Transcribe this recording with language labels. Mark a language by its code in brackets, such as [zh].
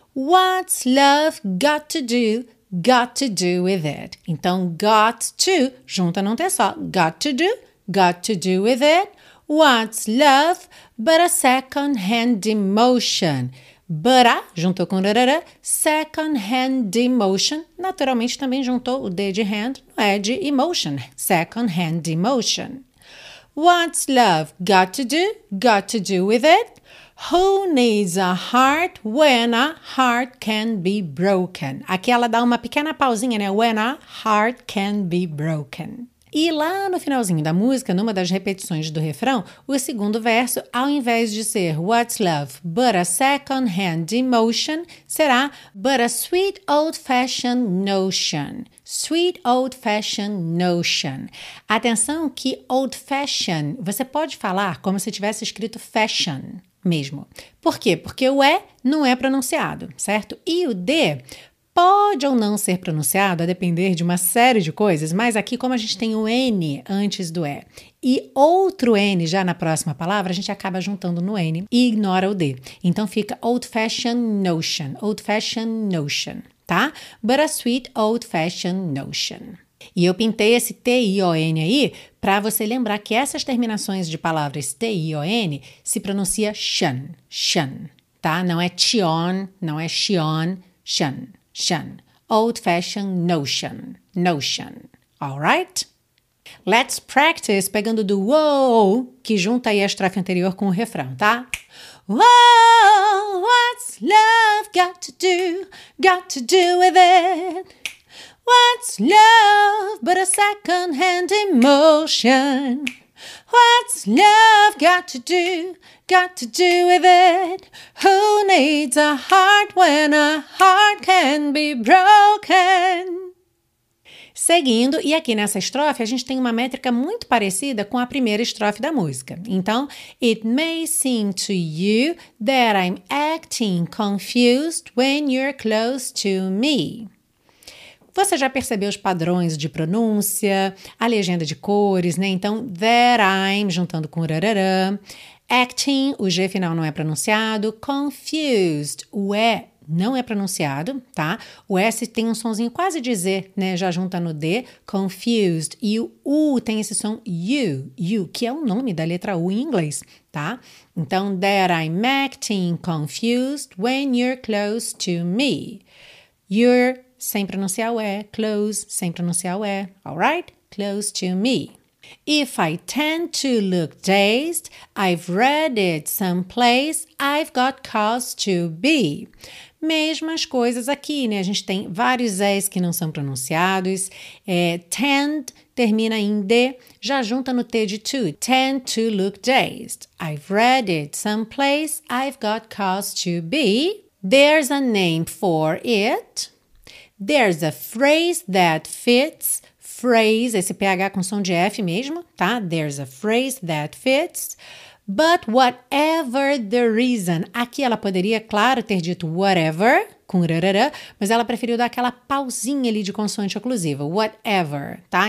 [en] What's love got to do with it? [pt] Então, got to, junta não tem só. [en] Got to do with it. What's love but a second-hand emotion? But a, [pt] juntou com rarara, [en] second-hand emotion. [pt] Naturalmente, também juntou o D de hand, não é de emotion. [en] Second-hand emotion. What's love got to do with it? Who needs a heart when a heart can be broken? [pt] Aqui ela dá uma pequena pausinha, né? [en] When a heart can be broken. [pt] E lá no finalzinho da música, numa das repetições do refrão, o segundo verso, ao invés de ser [en] What's love but a second-hand emotion, [pt] será [en] But a sweet old-fashioned notion. Sweet old-fashioned notion. [pt] Atenção que old-fashioned, você pode falar como se tivesse escrito fashion mesmo. Por quê? Porque o E não é pronunciado, certo? E o D pode ou não ser pronunciado, a depender de uma série de coisas, mas aqui, como a gente tem o N antes do E e outro N já na próxima palavra, a gente acaba juntando no N e ignora o D. Então, fica [en] old-fashioned notion, [pt] tá? [en] But a sweet old-fashioned notion. [pt] E eu pintei esse T-I-O-N aí para você lembrar que essas terminações de palavras T-I-O-N se pronuncia shun, shun, tá? Não é tion, não é shion, shun. [en] Notion, old-fashioned notion, notion, all right? Let's practice [pt] pegando do whoa, que junta aí a estrofe anterior com o refrão, tá? [en] Whoa, what's love got to do with it? What's love but a second-hand emotion? What's love got to do with it? Who needs a heart when a heart can be broken? [pt] Seguindo, e aqui nessa estrofe, a gente tem uma métrica muito parecida com a primeira estrofe da música. Então, [en] it may seem to you that I'm acting confused when you're close to me. [pt] Você já percebeu os padrões de pronúncia, a legenda de cores, né? Então, [en] that I'm, [pt] juntando com rarara, acting, o G final não é pronunciado, confused, o E não é pronunciado, tá? O S tem um sonzinho quase de Z, né? Já junta no D, confused, e o U tem esse som U, que é o nome da letra U em inglês, tá? Então, [en] that I'm acting confused when you're close to me. [pt] You're sem pronunciar o E, close, sem pronunciar o E, alright? [en] Close to me. If I tend to look dazed, I've read it someplace, I've got cause to be. [pt] Mesmas coisas aqui, né? A gente tem vários E's que não são pronunciados. É, tend termina em D, já junta no T de to. [en] Tend to look dazed, I've read it someplace, I've got cause to be. There's a name for it. There's a phrase that fits, phrase, [pt] esse PH com som de F mesmo, tá? [en] There's a phrase that fits, but whatever the reason, [pt] aqui ela poderia, claro, ter dito whatever, com rarara, mas ela preferiu dar aquela pausinha ali de consoante oclusiva, whatever, tá?